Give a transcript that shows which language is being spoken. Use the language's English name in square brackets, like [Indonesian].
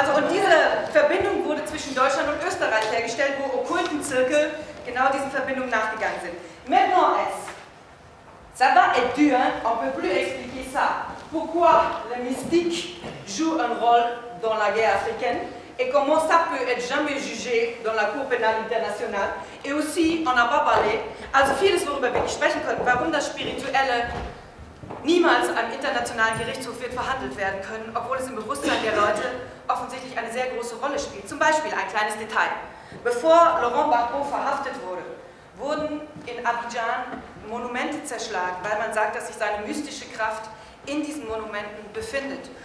[German] diese Verbindung wurde zwischen Deutschland und Österreich hergestellt, wo Okkultenzirkel genau diesen Verbindungen nachgegangen sind. [French] Maintenant est, ça va être dur, hein? On peut plus expliquer ça. Pourquoi le mystique joue un rôle dans la guerre africaine et comment ça peut être jamais jugé dans la Cour pénale internationale? Et aussi, on n'a pas parlé, [German] also vieles, worüber wir nicht sprechen können, warum das Spirituelle niemals am internationalen Gerichtshof wird verhandelt werden können, obwohl es im Bewusstsein der Leute offensichtlich eine sehr große Rolle spielt. Zum Beispiel ein kleines Detail. Bevor Laurent Gbagbo verhaftet wurde, wurden in Abidjan Monumente zerschlagen, weil man sagt, dass sich seine mystische Kraft in diesen Monumenten befindet.